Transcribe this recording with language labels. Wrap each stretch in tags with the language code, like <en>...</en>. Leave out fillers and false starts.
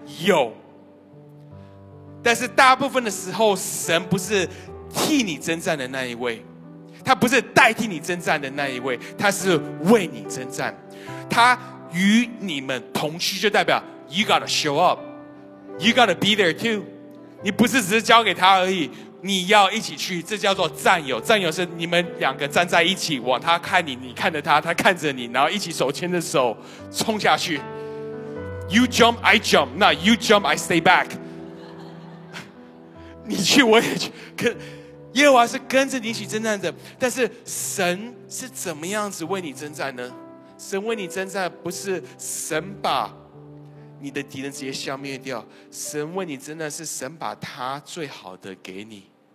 <zh>有。但是大部分的时候，神不是替你征战的那一位，他不是代替你征战的那一位，他是为你征战，他与你们同去，就代表</zh> <en>you gotta show up, you gotta be there too。</en> <zh>你不是只是交给他而已，你要一起去，这叫做战友。战友是你们两个站在一起，往他看你，你看着他，他看着你，然后一起手牵着手冲下去。</zh> <en>You jump, I jump, not you jump, I stay back。</en> <zh>你去我也去，可耶和华是跟着你一起征战的。但是神是怎么样子为你征战呢？神为你征战不是神把你的敌人直接消灭掉，神为你征战是神把他最好的给你。</zh>